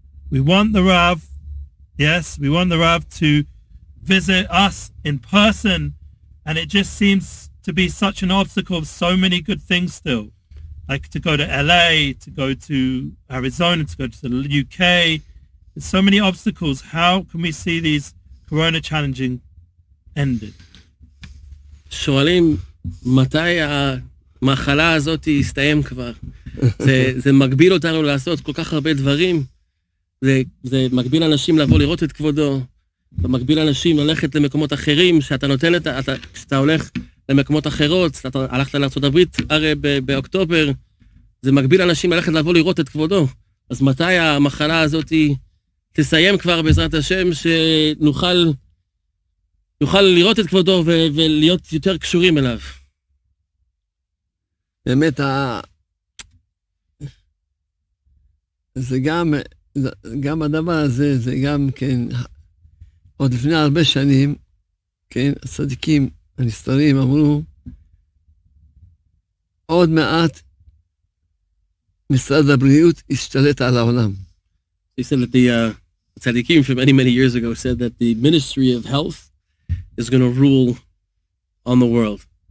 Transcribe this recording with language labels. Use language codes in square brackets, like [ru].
[en] We want the Rav, yes, we want the Rav to visit us in person, and it just seems to be such an obstacle of so many good things still, like to go to LA, to go to Arizona, to go to the UK. There's so many obstacles. How can we see these Corona challenging ended? [he] שואלים מתי המחלה הזאת יסתיים כבר. זה מגביל אותנו לעשות כל כך הרבה דברים. זה מגביל אנשים לבוא לראות את כבודו. זה מגביל אנשים ללכת למקומות אחרים, שאתה נותן את, אתה, כשאתה הולך למקומות אחרות, אתה הלכת לארצות הברית הרי באוקטובר, זה מגביל אנשים ללכת לבוא לראות את כבודו. אז מתי המחלה הזאת תסיים כבר בעזרת השם, שנוכל... יוכל לראות את כבודו ולהיות יותר קשורים אליו. באמת, זה גם, גם הדבר הזה, זה גם כן, עוד לפני הרבה שנים, כן, הצדיקים הנסתרים אמרו, עוד מעט משרד הבריאות ישתלט על העולם. [en] He said that the צדיקים from many, many years ago said that the Ministry of Health is going to rule on the world.